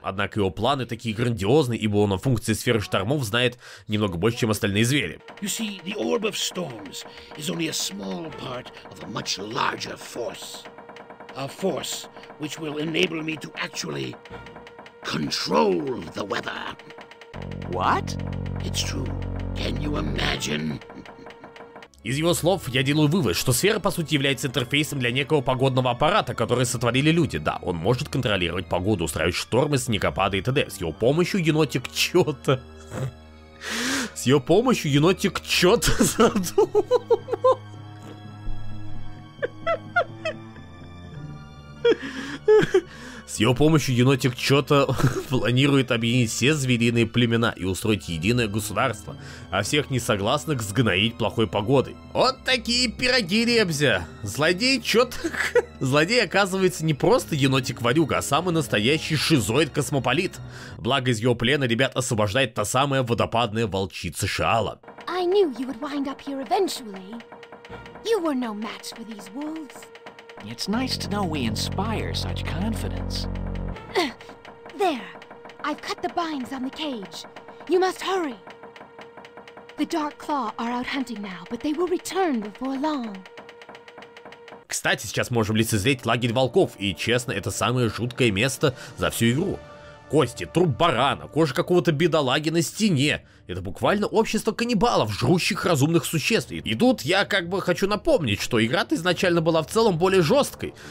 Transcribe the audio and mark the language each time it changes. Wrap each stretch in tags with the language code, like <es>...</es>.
<ru>Однако его планы такие грандиозные, ибо он о функции сферы штормов знает немного больше, чем остальные звери.</ru> <en>You see, the orb of storms is only a small part of a much larger force. A force, which will enable me to actually control the weather. What? It's true. Can you imagine?</en> <ru>Из его слов я делаю вывод, что сфера по сути является интерфейсом для некого погодного аппарата, который сотворили люди. Да, он может контролировать погоду, устраивать штормы, снегопады и т.д. С его помощью енотик чё-то... С его помощью енотик чё-то задумал... С его помощью енотик Чота планирует объединить все звериные племена и устроить единое государство, а всех несогласных сгноить плохой погодой. Вот такие пироги, ребзя. Злодей Чота... Злодей оказывается не просто енотик-варюга, а самый настоящий шизоид-космополит. Благо из его плена ребят освобождает та самая водопадная волчица Шаала.</ru> <en>I knew you would wind up here eventually. You were no match for these wolves. It's nice to know we inspire such confidence. There. I've cut the binds on the cage. You must hurry. The Dark Claw are out hunting now, but they will return before long.</en> <ru>Кстати, сейчас можем лицезреть лагерь волков, и честно, это самое жуткое место за всю игру. Кости, труп барана, кожа какого-то бедолаги на стене. Это буквально общество каннибалов, жрущих разумных существ. И тут я как бы хочу напомнить, что игра-то изначально была в целом более жесткой.</ru>